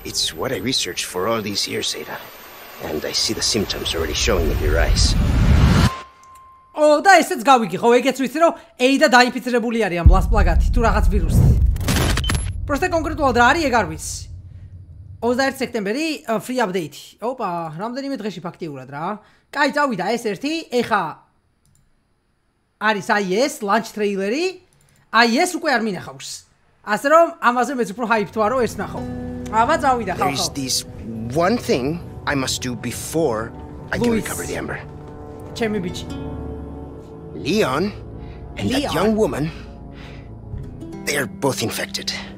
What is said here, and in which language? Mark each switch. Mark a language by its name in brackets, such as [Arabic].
[English] It's what I researched for all these years, Ada. And I see the symptoms already showing in your eyes. [Georgian] Oh, და ესეც გავიგე ხო, ეგეც ვიცი რომ AIDA დაინფიცირებული არის ამ ბლას პლაგათი თუ რაღაც ვირუსი. Просто კონკრეტულად რა არის ეგ არ ვიცი. 21 სექტემბერი ფრი აპდეიტი. ოპა, რამდენიმე დღეში ფაქტიურად რა. კაი, წავიდა ეს ერთი. ეხა არის აი ეს ლანჩ ტრეილერი. აი ეს უკვე არ მინახავს. ასე რომ ამაზე მეც უფრო ჰაიპ თვა რო ეს ნახო. აბა, წავიდა ხო ხო. [English] There's this one thing I must do before I can recover the amber. [Georgian] ჩემი ბიჭი. [English] Leon and that young woman, they're both infected.